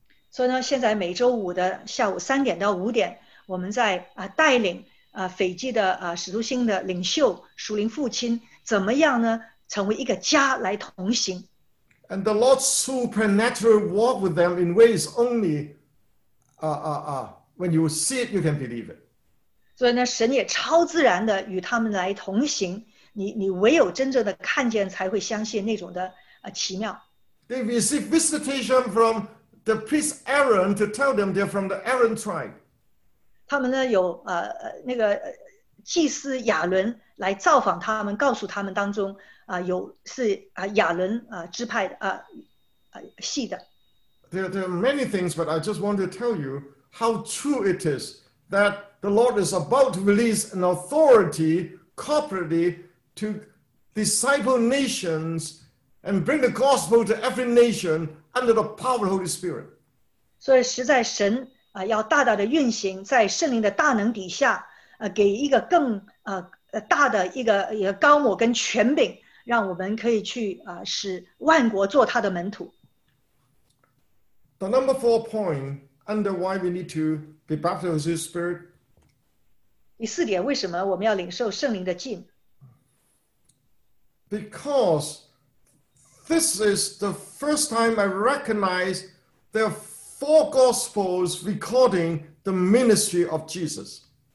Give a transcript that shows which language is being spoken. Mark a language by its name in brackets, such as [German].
[English] So now, [Chinese] 现在每周五的下午3点到5点, 我们在, 带领, 斐济的, 使徒星的领袖, 属灵父亲, 怎么样呢, 成为一个家来同行。 [English] And the Lord supernaturally walk with them in ways only, when you see it, you can believe it. [Chinese] 所以呢, 神也超自然地与他们来同行, 你唯有真正地看见才会相信那种的, 奇妙。 [English] They receive visitation from the priest Aaron to tell them they're from the Aaron tribe. [Chinese] 他们呢, 有, 那个, 祭司亚伦来造访他们, 告诉他们当中, 有, 是, 亚伦, 支派的, 系的。 [English] there are many things, but I just want to tell you how true it is that the Lord is about to release an authority corporately to disciple nations and bring the gospel to every nation under the power of the Holy Spirit. [Chinese] 所以实在神, 要大大的运行在圣灵的大能底下, 给一个更, 大的一个高抹跟权柄, 让我们可以去, 使万国做他的门徒。 [English] The number four point under why we need to be baptized with the Holy Spirit. [Chinese] 第四点，为什么我们要领受圣灵的浸？ [English] Because this is the first time I recognize there are four gospels recording the ministry of Jesus.